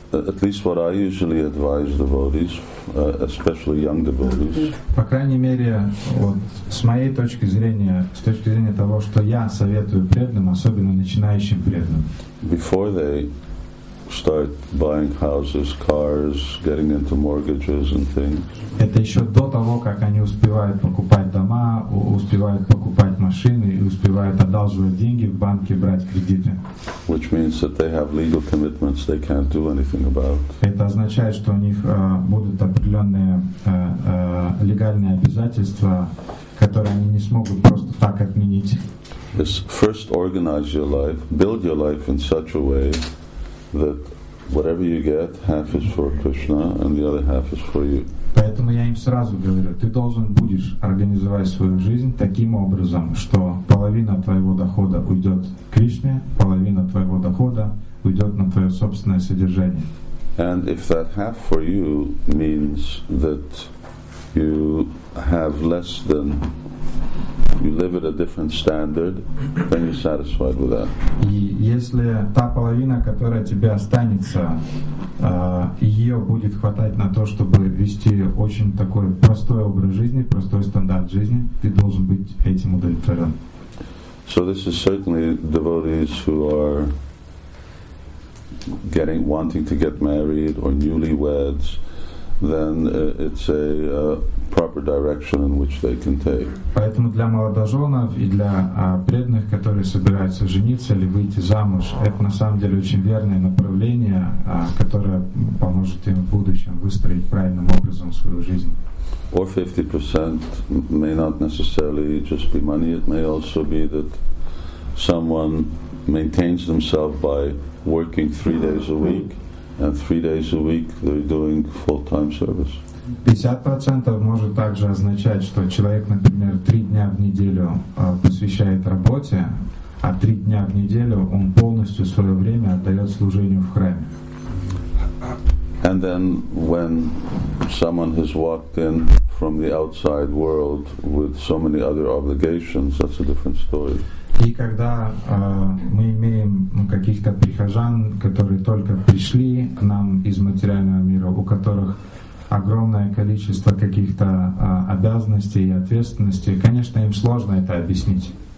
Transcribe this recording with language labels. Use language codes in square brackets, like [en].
[en] At least what I usually advise devotees, especially young devotees. [ru] По крайней мере, вот с моей точки зрения, с точки зрения того, что я советую преданным, особенно начинающим преданным. [en] Before they start buying houses, cars, getting into mortgages and things. [ru] Это еще до того, как они успевают покупать дома, успевают покупать машины и успевают одалживать деньги в банке, брать кредиты. [en] Which means that they have legal commitments they can't do anything about. [ru] Это означает, что у них будут определенные легальные обязательства, которые они не смогут просто так отменить. [en] Is first organize your life, build your life in such a way that whatever you get, half is for Krishna and the other half is for you. [ru] Поэтому я им сразу говорю, ты должен будешь организовать свою жизнь таким образом, что половина твоего дохода уйдет Кришне, половина твоего дохода уйдет на твое собственное содержание. [en] And if that half for you means that you have less than, you live at a different standard, then you're satisfied with that. [ru] И если та половина, которая тебе останется, ее будет хватать на то, чтобы вести очень такой простой образ жизни, простой стандарт жизни, ты должен быть этим удовлетворен. [en] So this is certainly devotees who are wanting to get married or newlyweds, then it's a proper direction in which they can take. [ru] Поэтому для молодоженов и для преданных, которые собираются жениться или выйти замуж, это на самом деле очень верное направление, которое поможет им в будущем выстроить правильным образом свою жизнь. [en] Or 50% may not necessarily just be money. It may also be that someone maintains themselves by working 3 days a week. And 3 days a week they're doing full-time service. [ru] 50% может также означать, что человек, например, 3 дня в неделю посвящает работе, а 3 дня в неделю он полностью свое время отдает служению в храме. And then when someone has walked in from the outside world with so many other obligations, that's a different story. И когда мы имеем каких-то прихожан, которые только пришли к нам из материального мира, у которых огромное количество каких-то обязанности и ответственности. Конечно, им сложно это объяснить.